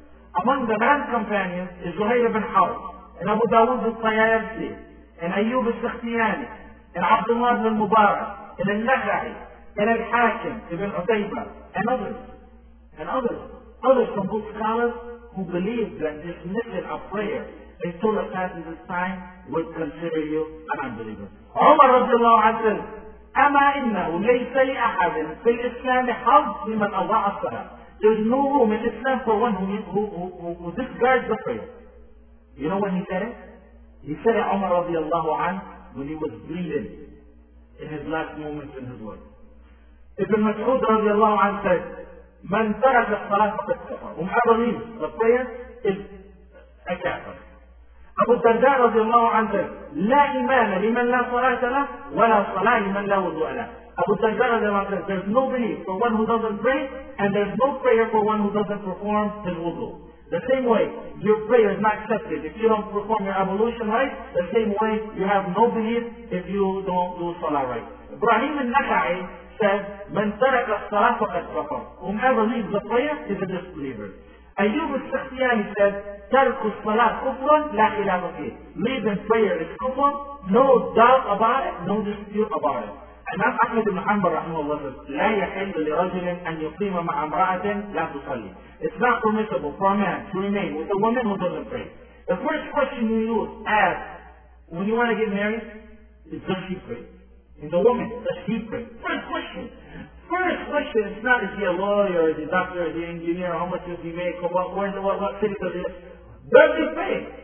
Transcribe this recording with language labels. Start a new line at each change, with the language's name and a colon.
English: Among the man companions is Zuhayr ibn Harb, and Abu Dawud al-Tayalsi, and Ayyub al-Sakhtiyani, and Abdullah ibn Mubarak, and al-Nahari, and al-Hakim ibn Utaybah, and others. And others. Others from good scholars who believe that this method of prayer in Surah Fatiha this time would consider you an unbeliever. Umar radiallahu anhu says,
Arabic: أما إنه ليس لأحد في الإسلام حظ لمن أضاع الصلاة.
English: There's no room in Islam for one who disregards the prayer. You know what he said? He said it, Umar radiallahu anhu, when he was bleeding in his last moments in his world. Ibn Mas'ud radiallahu anhu said,
Arabic: من ترك الصلاة فقد كفر.
English: Whomever leaves the prayer is a kafir.
Arabic: أبو الدرداء رضي الله عنه لا إيمان لمن لا صلاة له ولا صلاة لمن لا وضوء له.
English: أبو الدرداء رضي الله عنه says there's no belief for one who doesn't pray and there's no prayer for one who doesn't perform his wudu. The same way your prayer is not accepted if you don't perform your ablution right, the same way you have no belief if you don't do salah right. Ibrahim al-Nakhai said
Arabic: من ترك الصلاة فقد كفر.
English: Whomever leaves the prayer is a disbeliever. Ayyub al-Sakhtiyani said
Arabic: ترك الصلاة كفر لا خلاف فيه.
English: Leaving prayer is كفر. No doubt about it. No dispute about it. Imam Ahmed ibn Hanbal رحمه الله says
Arabic: لا يحل لرجل أن يقيم مع امرأة لا تصلي.
English: It's not permissible for a man to remain with a woman who doesn't pray. The first question you use ask when you want to get married is does she pray? And the woman, does she pray? First question. First question is not, is he a lawyer, is he a doctor, is he an engineer, how much does he make, or what city does he make? Does he pray?